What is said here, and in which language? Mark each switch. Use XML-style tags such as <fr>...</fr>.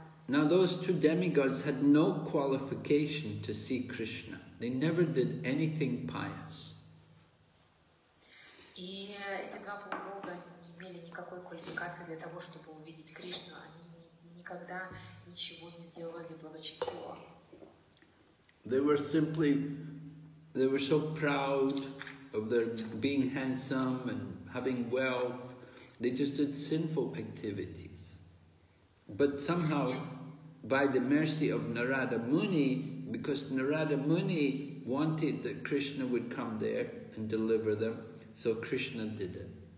<en>Now those two demigods had no qualification to see Krishna. They never did anything pious.</en> <ru>И эти два полубога не имели никакой квалификации для того, чтобы увидеть Кришну. Они никогда ничего не сделали благочестиво.</ru> <en>They were simply, they were so proud of their being handsome and having wealth. They just did sinful activities. But somehow, by the mercy of Narada Muni, because Narada Muni wanted that Krishna would come there and deliver them, so Krishna did it.</en>